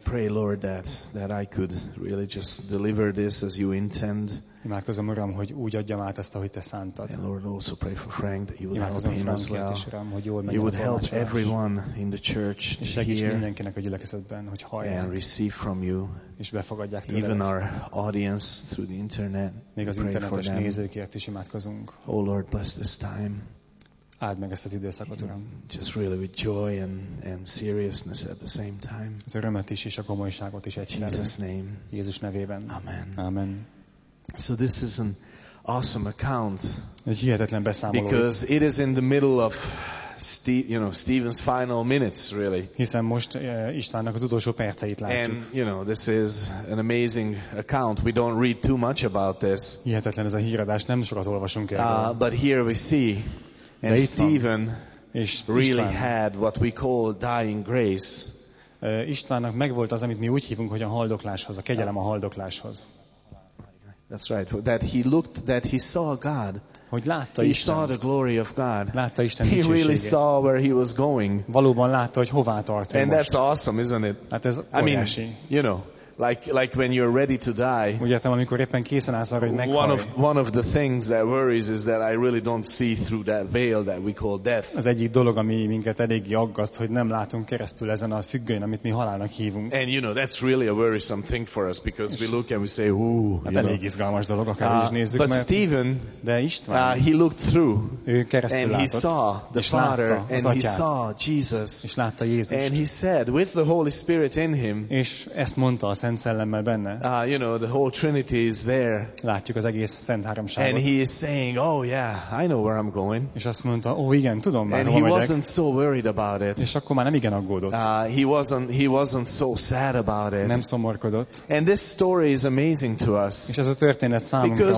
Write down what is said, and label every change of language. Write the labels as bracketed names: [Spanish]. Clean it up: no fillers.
[English] I pray, Lord, that I could really just deliver this as you intend. [Hungarian] Imádkozom, Uram, hogy úgy adjam át ezt, ahogy te szántad. [English] And Lord, also pray for Frank, that you would help Frank him as well. [Hungarian] Is, Uram, hogy jól menjen [English] you would help everyone in the church to hear. [Hungarian] Segíts mindenkinek a gyülekezetben, hogy hallják. [English] And receive from you. [Hungarian] És befogadják tőle. [English] Even our audience through the internet. [Hungarian] Még az internetes nézőkért is imádkozunk. [English] Oh Lord, bless this time. [Hungarian] Áld meg ezt az időszakot, Uram. [English] Just really with joy and seriousness at the same time. [Hungarian] Az örömet is és a komolyságot is egyszerre. [English] Jesus name. [Hungarian] Jézus nevében. [English] Amen. [Hungarian] Amen. [English] So this is an awesome account. [Hungarian] Egy hihetetlen beszámoló. [English] Because it is in the middle of Stephen's final minutes, really. [Hungarian] Hiszen most Istvánnak az utolsó perceit látjuk. [English] And you know, this is an amazing account. We don't read too much about this. [Hungarian] Hihetetlen ez a híradás, nem sokat olvasunk erről. [English] But here we see. And Stephen really had what we call dying grace. [Hungarian] Istvánnak megvolt az, amit mi úgy hívunk, hogy a haldokláshoz, a kegyelem a haldokláshoz. [English] That's right. That he looked, that he saw God. [Hungarian] Hogy látta [English] he [Hungarian] Istent. [English] Saw the glory of God. [Hungarian] Látta Isten dicsőségét. [English] He really saw where he was going. [Hungarian] Valóban látta, hogy hová tartunk. [English] And [Hungarian] most. [English] That's awesome, isn't it? [Hungarian] Hát ez óriási. [English] You know, like when you're ready to die. [Hungarian] Úgy értem, amikor éppen készen állsz arra, hogy meghalj. [English] One of the things that worries is that I really don't see through that veil that we call death. [Hungarian] Az egyik dolog, ami minket eléggé aggaszt, hogy nem látunk keresztül ezen a függönyön, amit mi halálnak hívunk. [English] And you know, that's really a worrisome thing for us because we look and we say, "Ooh." [Hungarian] Hát elég izgalmas dolog, akár is nézzük, [English] but Stephen, [Hungarian] de István, [English] he looked through. [Hungarian] Ő keresztül [English] and [Hungarian] látott, [English] he saw the Father and [Hungarian] atyát, [English] he saw Jesus. [Hungarian] És látta Jézust. [English] And he said with the Holy Spirit in him. [Hungarian] És ezt mondta a Szent Szellemmel benne. [English] You know, the whole Trinity is there. [Hungarian] Látjuk az egész Szent Háromságot. [English] And he is saying, "Oh yeah, I know where I'm going." [Hungarian] És azt mondta, "Ó, igen, tudom már, hova megyek." [English] And he wasn't so worried about it. [Hungarian] És akkor már nem igen aggódott. [English] He wasn't so sad about it. [Hungarian] Nem szomorkodott. [English] And this story is amazing to us. [Hungarian] És ez a történet számunkra